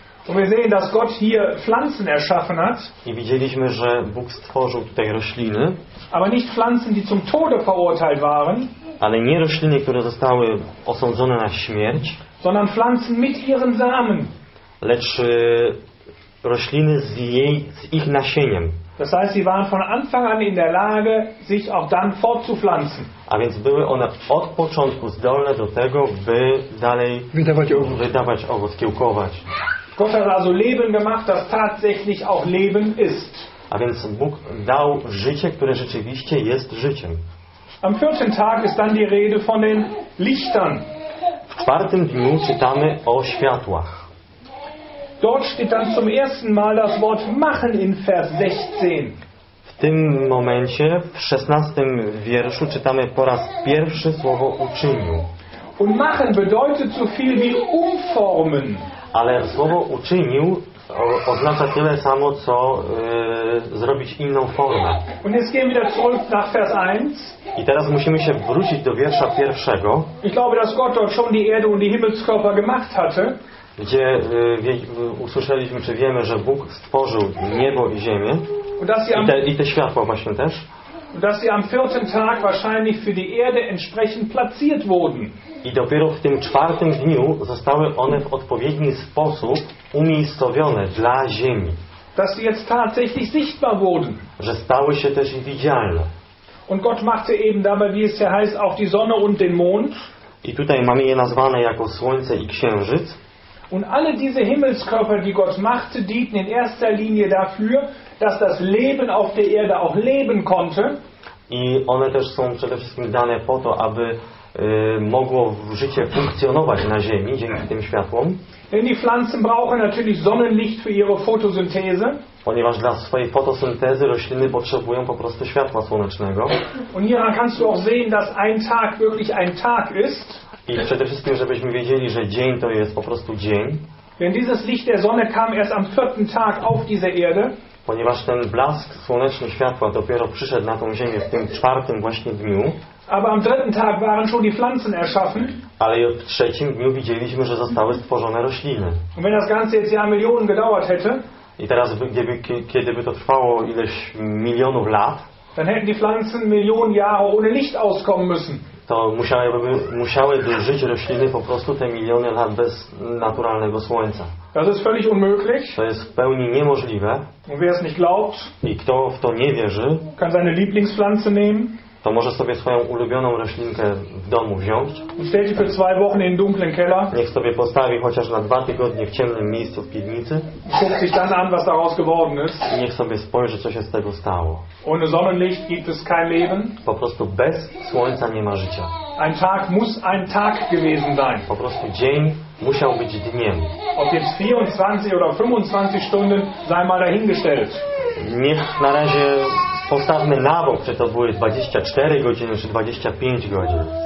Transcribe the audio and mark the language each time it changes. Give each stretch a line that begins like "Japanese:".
German: Und wir sehen, dass Gott hier Pflanzen erschaffen hat.
Polish: I widzieliśmy, że Bóg stworzył tutaj rośliny.
German: Aber nicht Pflanzen, die zum Tode verurteilt waren.
Polish: Ale nie rośliny, które zostały osądzone na śmierć.
German: Sondern Pflanzen mit ihren Samen.
Polish: Lecz rośliny z ich nasieniem.
German: Das heißt, sie waren von Anfang an in der Lage, sich auch dann fortzupflanzen.
Polish: A więc były one od początku zdolne do tego, by dalej wydawać owoc, kiełkować.
German: Gott hat also Leben gemacht, das tatsächlich auch Leben ist.
Polish: A więc Bóg dał życie, które rzeczywiście jest życiem.
German: Am vierten Tag ist dann die Rede von den Lichtern.
Polish: W czwartym dniu czytamy o światłach.
German: Dort steht dann zum ersten Mal das Wort machen in Vers 16.
Polish: W tym momencie, w 16 wierszu, czytamy po raz pierwszy słowo uczynił.
German: Und machen bedeutet so viel wie umformen.
Polish: Ale słowo uczynił oznacza tyle samo, co zrobić inną formę.
German: Und jetzt gehen wir zurück nach Vers 1.
Polish: I teraz musimy się wrócić do wiersza pierwszego.
German: Ich glaube, dass Gott dort schon die Erde und die Himmelskörper gemacht hatte.
Polish: Gdzie usłyszeliśmy, czy wiemy, że Bóg stworzył niebo i ziemię i te światła właśnie też.
German: Und dass sie am vierten Tag wahrscheinlich für die Erde entsprechend platziert wurden.
Polish: I dopiero w tym czwartym dniu zostały one w odpowiedni sposób umiejscowione dla ziemi.
German: Dass sie jetzt tatsächlich sichtbar wurden.
Polish: Że stały się też widzialne.
German: Und Gott machte eben dabei, wie es ja heißt, auch die Sonne und den Mond.
Polish: I tutaj mamy je nazwane jako Słońce i Księżyc.
German: Und alle diese Himmelskörper, die Gott machte, dienten in erster Linie dafür, dass das Leben auf der Erde auch leben konnte.
Polish: I one też są przede wszystkim dane po to, aby mogło życie funkcjonować na Ziemi dzięki tym światłom.
German: Denn die Pflanzen brauchen natürlich Sonnenlicht für ihre Photosynthese.
Polish: Ponieważ dla swojej fotosyntezy rośliny potrzebują po prostu światła słonecznego.
German: Und hieran kannst du auch sehen, dass ein Tag wirklich ein Tag ist.
Polish: I przede wszystkim, żebyśmy wiedzieli, że dzień to jest po prostu dzień.
German: Denn dieses Licht der Sonne kam erst am vierten Tag auf diese Erde.
Polish: Ponieważ ten blask słoneczny światła dopiero przyszedł na tą ziemię w tym czwartym właśnie dniu.
German: Aber am dritten Tag waren schon die Pflanzen erschaffen.
Polish: Ale w trzecim dniu widzieliśmy, że zostały stworzone rośliny.
German: Und wenn das Ganze jetzt ja Millionen gedauert hätte,
Polish: i teraz, kiedy by to trwało ileś milionów lat,
German: dann hätten die Pflanzen Millionen Jahre ohne Licht auskommen müssen.
Polish: To musiałyby żyć rośliny po prostu te miliony lat bez naturalnego słońca.
German: Das ist völlig unmöglich.
Polish: To jest w pełni niemożliwe.
German: Und wer es nicht glaubt,
Polish: i kto w to nie wierzy,
German: kann seine Lieblingspflanze nehmen,
Polish: to może sobie swoją ulubioną roślinkę w domu wziąć.
German: Und stell sie für zwei Wochen in dunklen Keller.
Polish: Niech sobie postawi chociaż na dwa tygodnie w ciemnym miejscu w piwnicy.
German: Guck sich dann an, was daraus geworden ist.
Polish: I niech sobie spojrzy, co się z tego stało.
German: Ohne Sonnenlicht gibt es kein Leben.
Polish: Po prostu bez słońca nie ma życia.
German: Ein Tag muss ein Tag gewesen sein.
Polish: Po prostu dzień musiał być dniem.
German: Ob jetzt 24 oder 25 Stunden, sei mal dahingestellt.
Polish: Niech na razie postawmy na bok, czy to były 24 godziny, czy 25 godzin.